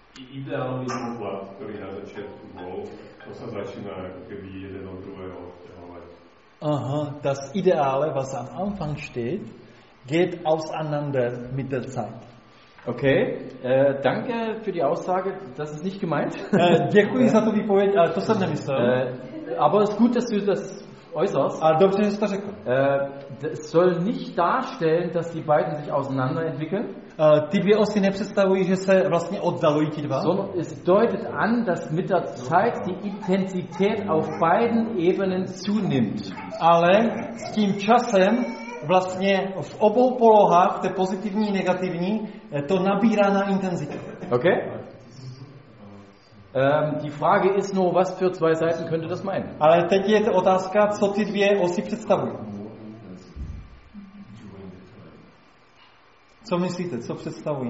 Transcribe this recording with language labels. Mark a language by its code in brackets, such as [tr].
[cs] Ideální úklad, který na začátku bol, to se začíná jako keby jeden od druhého vtěhovat. [de] Aha, das Ideale, was am Anfang steht, geht auseinander mit der Zeit. Okay, danke für die Aussage, das ist nicht gemeint. [cs] Děkuji za tu výpověď, ale to jsem nemyslel. [de] Aber es ist gut, dass du das äußerst. [cs] Ah, dobře, že jsi to řekl. [de] Das soll nicht darstellen, dass die beiden sich auseinanderentwickeln. [cs] Ty dvě osy nepředstavují, že se vlastně oddalují ti dva? [de] Sondern es deutet an, dass mit der Zeit die Intensität auf beiden Ebenen zunimmt. [cs] Ale s tím časem vlastně v obou polohách, té pozitivní i negativní, to nabírá na intenzitě. Okay? [de] Die Frage ist nur, was für zwei Seiten könnte das meinen? [cs] Ale teď je to otázka, co ty dvě osy představují. Co myslíte, co představují?